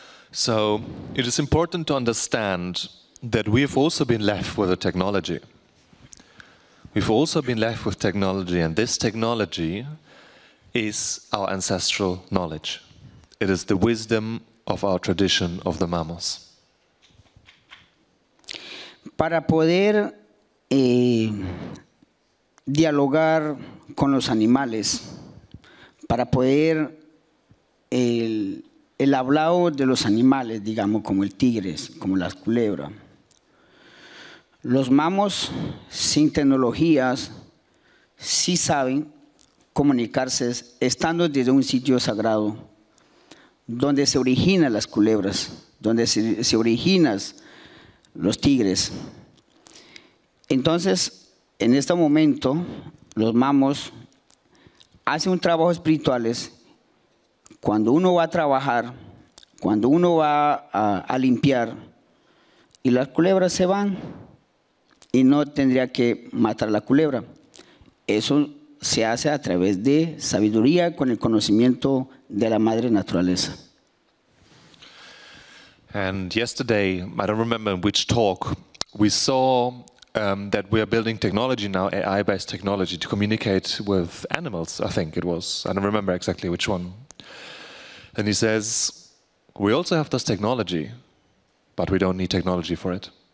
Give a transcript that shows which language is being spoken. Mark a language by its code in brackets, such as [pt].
[en] So it is important to understand that we have also been left with a technology. We've also been left with technology, and this technology is our ancestral knowledge. It is the wisdom of our tradition of the mammals. [es] Para poder dialogar con los animales, para poder el hablado de los animales, digamos, como el tigre, como la culebra. Los mamos sin tecnologías sí saben comunicarse estando desde un sitio sagrado donde se originan las culebras, donde se originan los tigres. Entonces, en este momento, los mamos hacen un trabajo espiritual. Cuando uno va a trabajar, cuando uno va a limpiar, y las culebras se van, y no tendría que matar a la culebra. Eso se hace a través de sabiduría con el conocimiento de la madre naturaleza. [en] And yesterday, I don't remember in which talk, we saw that we are building technology now, AI-based technology, to communicate with animals, I think it was. I don't remember exactly which one. And he says, we also have this technology, but we don't need technology for it.